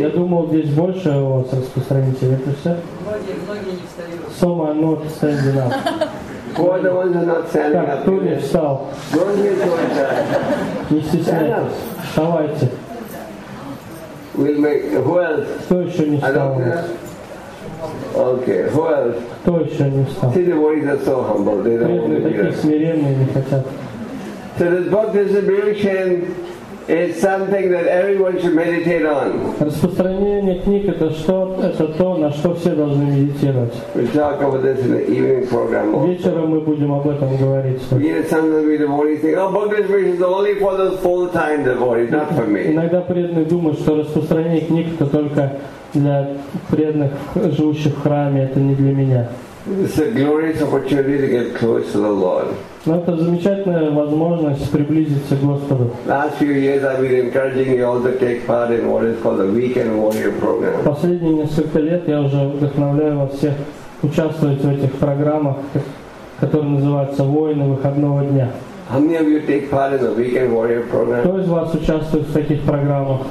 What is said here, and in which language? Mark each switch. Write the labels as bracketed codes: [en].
[ru] Я думал, здесь больше у вас распространителей. Это все? Многие не встают. [en] Some are not standing up. Who are the ones who are not standing [ru] up? Кто не встал? [en] Don't get too much. [ru] Не стесняйтесь. Вставайте. [en] We'll make. Who else? [ru] Кто еще не встал? [en] Okay. Who else? [ru] Кто еще не встал? [en] See, the boys are so humble. They don't want to be [ru] here. Смиренные не хотят. [en] So this book distribution is something that everyone should meditate on. [ru] Распространение книг — это то, на что все должны медитировать. [en] We'll talk about this in the evening program. [ru] Вечером мы будем об этом говорить. [en] Book distribution is only for the full-time devotees, not for me. [ru] Иногда преданные думают, что распространение книг — это только для преданных, живущих в храме, это не для меня. [en] It's a glorious opportunity to get close to the Lord. [ru] Но это замечательная возможность приблизиться к Господу. [en] Last few years I've been encouraging you all to take part in what is called the Weekend Warrior Program. [ru] Последние несколько лет я уже вдохновляю вас всех участвовать в этих программах, которые называются «Воины выходного дня». [en] How many of you take part in the Weekend Warrior Program? [ru] Кто из вас участвует в таких программах?